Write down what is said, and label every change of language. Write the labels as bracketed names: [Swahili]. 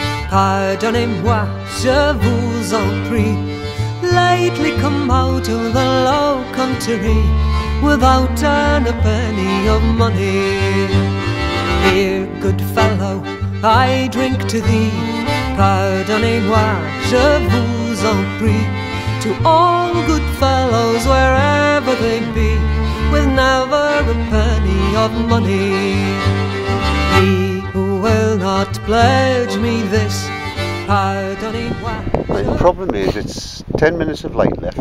[French] Pardonnez-moi, je vous en prie. [English] Lately come out of the low country without an a penny of money. Here, good fellow, I drink to thee. [French] Pardonnez-moi, je vous en prie. [English] To all good fellows, wherever they be, with never a penny of money. He who will not pledge me this, right, the problem is it's 10 minutes of light left.